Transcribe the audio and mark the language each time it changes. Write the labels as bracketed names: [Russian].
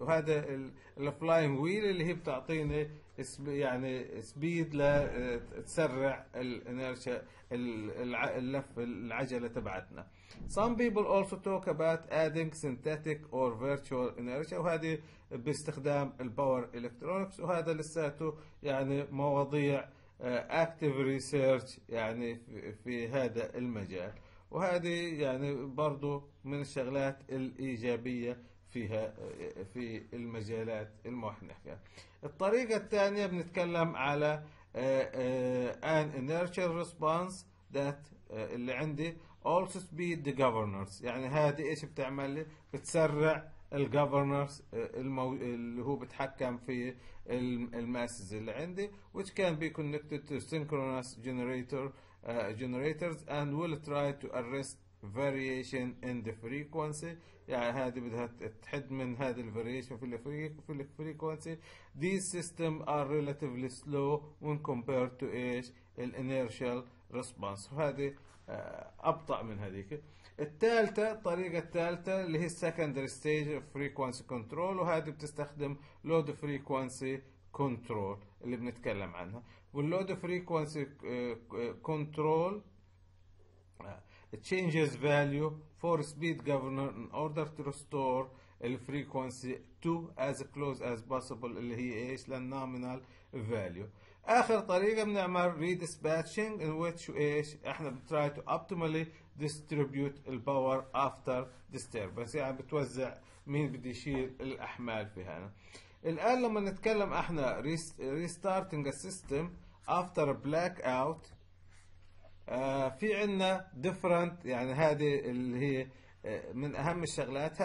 [Arabic] وهذا الفلاينج ويل اللي هي بتعطيني يعني سبيد لتسرع الانيرشا اللف العجله تبعتنا. [English] Some people also talk about adding synthetic or virtual inertia [Arabic] وهذه باستخدام الباور الكترونكس. وهذا لساته يعني مواضيع [English] active research [Arabic] يعني في هذا المجال. وهذه يعني برضو من الشغلات الإيجابية فيها في المجالات المحنكة. الطريقة الثانية بنتكلم على [English] an inertial response that [Arabic] اللي عندي [English] also speed the governors. [Arabic] يعني هذه ايش بتعمل لي؟ بتسرع الgoverners اللي هو بتحكم في الماسز اللي عندي [English] which can be connected to synchronous generator generators and will try to arrest variation in the frequency. [Arabic] يعني هذه بدها تحد من هذه ال variation في ال frequency. [English] These systems are relatively slow when compared to ايش ال inertial response. [Arabic] وهذه أبطأ من هذيك. الثالثة طريقة الثالثة اللي هي [English] secondary stage of frequency control [Arabic] وهذه بتستخدم [English] load frequency control [Arabic] اللي بنتكلم عنها. واللود فريكوانسي كنترول [English] changes value for speed governor in order to restore the frequency to as close as possible [Arabic] اللي هي ايش للنومينال فاليو. اخر طريقه بنعمل [English] redispatching in which [Arabic] ايش احنا بنتراي [English] to optimally distribute [Arabic] الباور افتر disturbance يعني بتوزع مين بدي يشيل الاحمال في هنا. الان لما نتكلم احنا [English] restarting a system after a blackout [Arabic] في عنا different يعني هذه اللي هي من اهم الشغلات.